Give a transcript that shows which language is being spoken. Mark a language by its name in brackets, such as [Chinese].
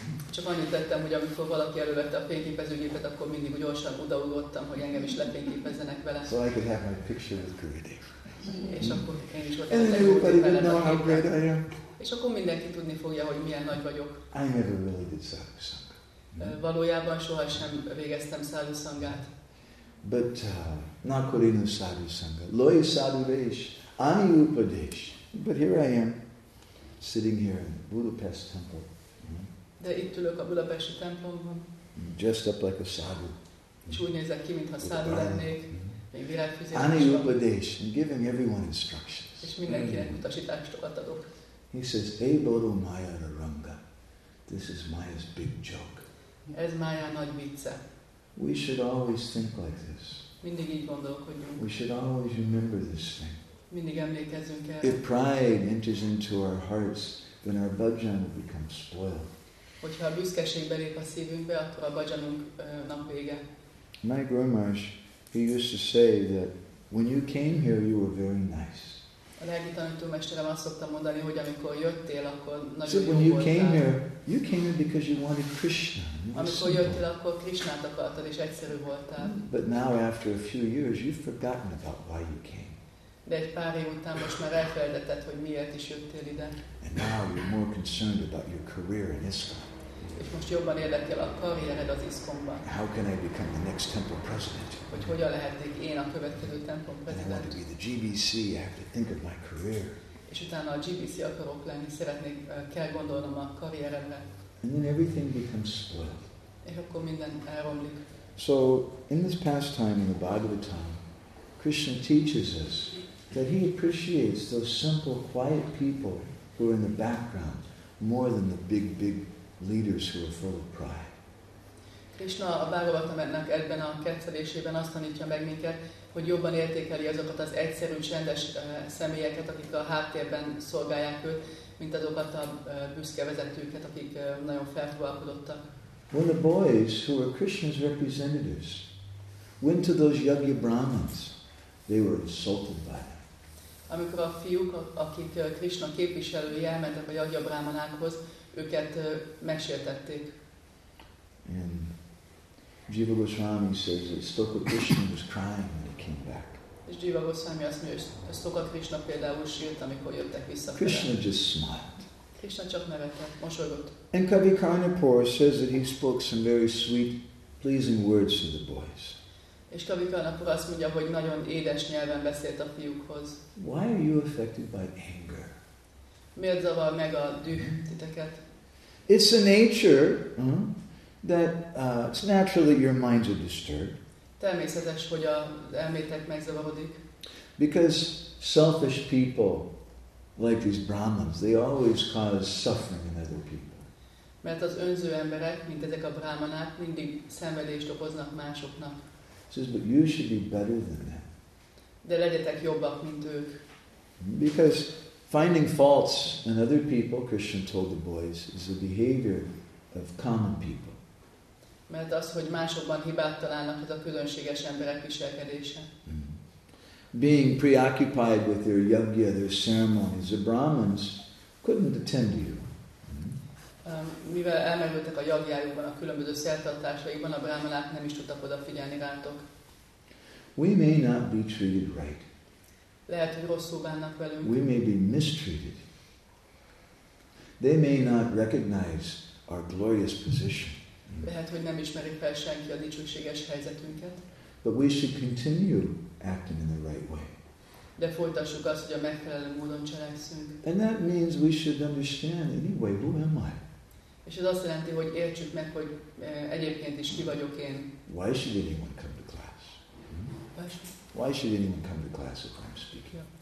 [Hungarian] Csak annyit tettem, hogy amikor valaki elővette a fényképezőgépet, akkor mindig gyorsan odaugrottam, hogy engem is lefényképezzenek vele. [English] So I could have my picture with Gurudev. [Hungarian] És akkor én is ott a fényképezőgépen. És akkor mindenki tudni fogja, hogy milyen nagy vagyok. [English] I never really did sadhu sangha. [Hungarian] Valójában sohasem végeztem sadhu sanghát. [Bangla] But not korinu sadhu sangha. Loi sadhu vesh, ani upadesh. [English] But here I am, sitting here in Budapest temple. [Hungarian] De itt ülök a budapesti templomban. [English] Dressed up like a sadhu. [Hungarian] És úgy nézek ki, mintha sadhu lennék. [Bangla] Ani upadesh, [English] and giving everyone instructions. [Hungarian] És mindenkinek utasítást adok. [English] He says, [Bangla] Eboru Maya Naranga. [English] This is Maya's big joke. [Hungarian] Ez Maya nagy vicce. [English] We should always think like this. [Hungarian] Mindig így gondolkodjunk. [English] We should always remember this thing. [Hungarian] Mindig emlékezzünk el. [English] If pride enters into our hearts, then our bhajan will become spoiled. [Hungarian] Hogyha a büszkeség belép a szívünkbe, akkor a bhajanunk nap vége. [English] My Guru Maharaj, he used to say that when you came here, you were very nice. [Hungarian] A lelki tanítómesterem azt szoktam mondani, hogy amikor jöttél, akkor nagyon jó voltál. [English] When you came here, you came here because you wanted Krishna. [Hungarian] Amikor jöttél, akkor Krishnát akartad, és egyszerű voltál. [English] But now, after a few years, you've forgotten about why you came. [Hungarian] De egy pár év után most már elfelejtetted, hogy miért is jöttél ide. [English] And now you're more concerned about your career in ISKCON. [Hungarian] És most jobban érdekel a karriered az ISKCON-ban. [English] How can I become the next temple president? [Hungarian] Hogy hogyan lehetnék én a következő templom president? [English] I want to be the GBC. I have to think of my career. [Hungarian] És utána a GBC akarok lenni, szeretnék, kell gondolnom a karrieremre. [English] And then everything becomes spoiled. [Hungarian] És akkor minden elromlik. [English] So in this pastime in the Bhagavatam, Krishna teaches us that he appreciates those simple, quiet people who are in the background more than the big, big leaders who are full of pride. [Hungarian] Krishna a Bhagavatamnak ebben a kezdésében azt tanítja meg minket, hogy jobban értékeli azokat az egyszerű, csendes személyeket, akik a háttérben szolgálják őt, mint azokat a büszke vezetőket, akik nagyon felfogalkodottak. [English] When the boys who were Krishna's representatives went to those yogi brahmins, they were insulted by them. [Hungarian] Amikor a fiúk, akik Krishna képviselői elmentek a yogi brahmanákhoz, őket megsértették. [English] And Jiva Goswami says that Stoka Krishna was crying when he came back. [Hungarian] És Jiva Goswami azt mondja, Stoka Krishna például sírt, amikor jöttek vissza. [English] Krishna just smiled. [Hungarian] Krishna csak nevetett, mosolygott. [English] And Kavi Karnapur says that he spoke some very sweet, pleasing words to the boys. [Hungarian] És Kavi Karnapur azt mondja, hogy nagyon édes nyelven beszélt a fiúkhoz. [English] Why are you affected by anger? [Hungarian] Miért zavar meg a düh titeket? [English] It's the nature that it's natural that your minds are disturbed. [Hungarian] Természetes, hogy a elmétek megzavarodik. [English] Because selfish people, like these Brahmins, they always cause suffering in other people. [Hungarian] Mert az önző emberek, mint ezek a brahmanák, mindig szenvedést okoznak másoknak. [English] Says, but you should be better than them. [Hungarian] De legyetek jobbak, mint ők. [English] Because finding faults in other people, Krishna told the boys, is the behavior of common people. [Hungarian] Mert az, hogy másokban hibát találnak, az a különséges emberek viselkedése. [English] Being preoccupied with their yajna, their ceremonies, the Brahmins couldn't attend to you. [Hungarian] Mivel elmerültek a yajnájukban, a különböző szertartásaikban, a brahmanák nem is tudtak odafigyelni rátok. [English] We may not be treated right. [Hungarian] Lehet, hogy rosszul bánnak velünk. [English] We may be mistreated. They may not recognize our glorious position. [Hungarian] Lehet, hogy nem ismerik fel senki a dicsőséges helyzetünket. [English] But we should continue acting in the right way. [Hungarian] De folytassuk azt, hogy a megfelelő módon cselekszünk. [English] And that means we should understand anyway, who am I? [Hungarian] És ez azt jelenti, hogy értsük meg, hogy egyébként is ki vagyok én. [English] Why should anyone come to class? Why should anyone come to class if I'm speaking?